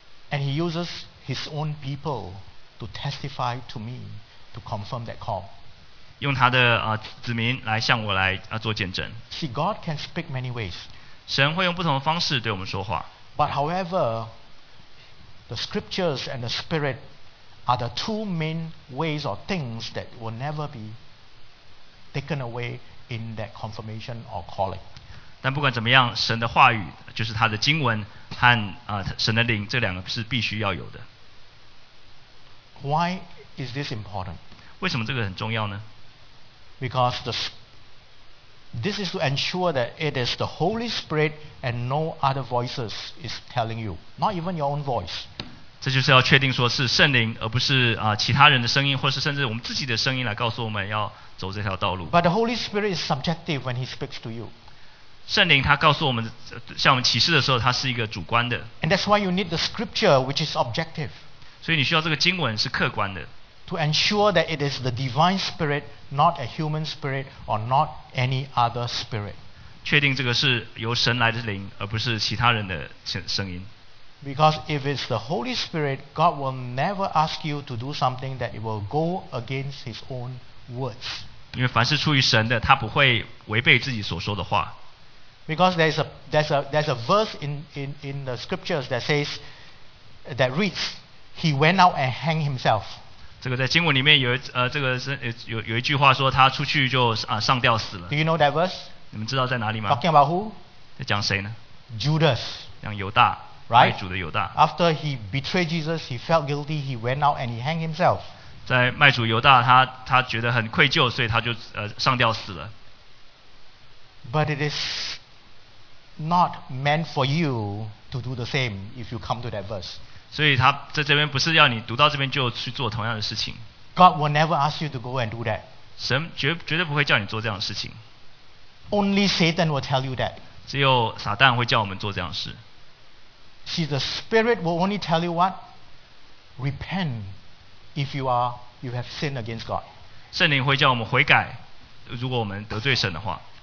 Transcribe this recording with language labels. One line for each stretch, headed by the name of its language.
English: And He uses His own people to testify to me to confirm that call.
Chinese: 用他的子民来向我来做见证。
English: See, God can speak many ways.
Chinese: 神会用不同的方式对我们说话。
English: But however, the scriptures and the spirit are the two main ways or things that will never be taken away in that confirmation or calling.
Chinese: 但不管怎么样，神的话语就是他的经文和神的灵，这两个是必须要有的。
English: Why is this important?
Chinese: 为什么这个很重要呢？
English: Because the spirit. This is to ensure that it is the Holy Spirit and no other voices is telling you, not even your own voice.
Chinese: 这就是要确定说是圣灵，而不是其他人的声音，或是甚至我们自己的声音来告诉我们要走这条道路。
English: But the Holy Spirit is subjective when He speaks to you.
Chinese: 圣灵他告诉我们，向我们启示的时候，他是一个主观的。
English: And that's why you need the Scripture, which is objective.
Chinese: 所以你需要这个经文是客观的。
English: To ensure that it is the divine spirit, not a human spirit, or not any other spirit.
Chinese: 确定这个是由神来的灵，而不是其他人的声音。
English: Because if it's the Holy Spirit, God will never ask you to do something that it will go against His own words.
Chinese: 因为凡是出于神的，他不会违背自己所说的话。
English: Because there's a verse in the scriptures that says that reads, He went out and hanged Himself.
Chinese: 这个在经文里面有一句话说他出去就上吊死了。
English: Do you know that verse?
Chinese: 你们知道在哪里吗？
English: Talking about who?
Chinese: 在讲谁呢？
English: Judas.
Chinese: 讲犹大。
English: Right?
Chinese: 爱主的犹大。
English: After he betrayed Jesus, he felt guilty, he went out and he hanged himself.
Chinese: 在卖主犹大他觉得很愧疚，所以他就上吊死了。
English: But it is not meant for you to do the same if you come to that verse.
Chinese: 所以他在这边不是要你读到这边就去做同样的事情。
English: God will never ask you to go and do that.
Chinese: 神绝对不会叫你做这样的事情。
English: Only Satan will tell you that.
Chinese: 只有撒旦会叫我们做这样的事。
English: See, the Spirit will only tell you what? Repent if you have sinned against God.
Chinese: 圣灵会叫我们悔改，如果我们得罪神的话。